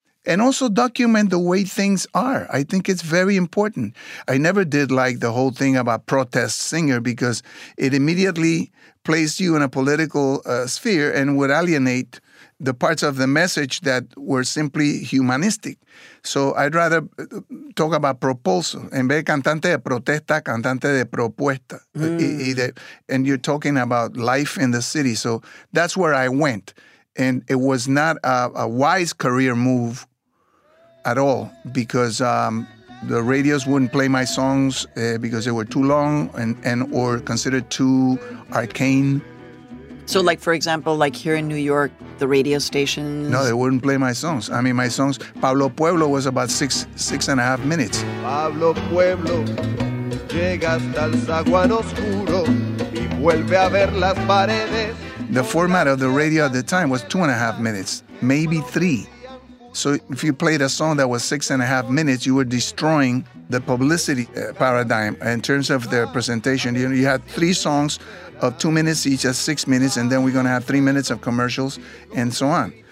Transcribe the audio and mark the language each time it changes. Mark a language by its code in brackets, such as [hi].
[en] And also document the way things are. I think it's very important. I never did like the whole thing about protest singer, because it immediately placed you in a political sphere and would alienate the parts of the message that were simply humanistic. So I'd rather talk about proposal. [es] En vez de cantante de protesta, cantante de propuesta. [en] And you're talking about life in the city. So that's where I went. And it was not a wise career move at all, because the radios wouldn't play my songs because they were too long and or considered too arcane. So, like, for example, like here in New York, the radio stations? No, they wouldn't play my songs. I mean, my songs, Pablo Pueblo was about six and a half minutes. [es] Pablo Pueblo llega hasta el zaguán oscuro y vuelve a ver las paredes. [en] The format of the radio at the time was 2.5 minutes, maybe three. So if you played a song that was 6.5 minutes, you were destroying the publicity paradigm in terms of their presentation. You know, you had three songs of 2 minutes each, at 6 minutes, and then we're going to have 3 minutes of commercials and so on.